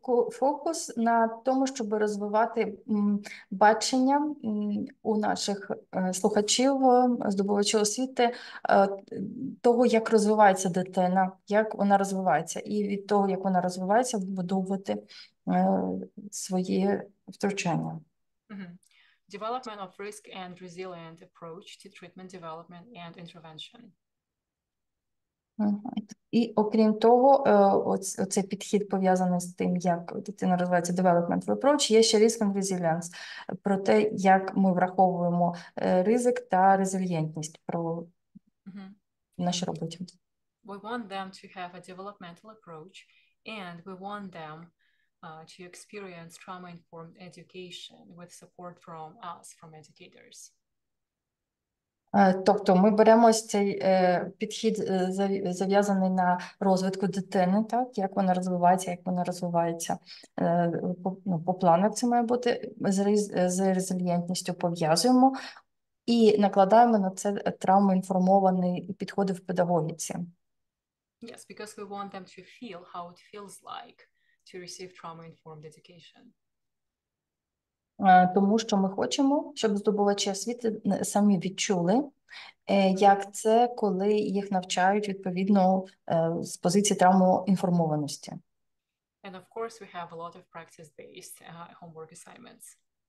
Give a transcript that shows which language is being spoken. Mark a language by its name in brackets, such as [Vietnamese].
[Ukrainian] Фокус на тому, щоб розвивати бачення у наших слухачів, здобувачів освіти, того, як розвивається дитина, як вона розвивається, і від того, як вона розвивається, вбудовувати свої втручання. Mm-hmm. [English] Development of risk and resilient approach to treatment development and intervention. [Ukrainian] І окрім того, оцей підхід пов'язаний з тим, як дитина розвивається, [English] development approach, [Ukrainian] є ще [English] risk and resilience, [Ukrainian] про те, як ми враховуємо ризик та резильєнтність про нашу роботу. [English] We want them to have a developmental approach and we want them to experience trauma-informed education with support from us, from educators. [Ukrainian] Тобто ми беремо ось цей підхід, зав'язаний на розвитку дитини, так як вона розвивається по плану, це має бути з резильєнтністю, пов'язуємо і накладаємо на це травмоінформований підходи в педагогіці. [English] Yes, because we want them to feel how it feels like to receive trauma-informed education. [Ukrainian] Тому що ми хочемо, щоб здобувачі освіти самі відчули, як це, коли їх навчають відповідно з позиції травмоінформованості. [English] And of course we have a lot of practice-based homework assignments.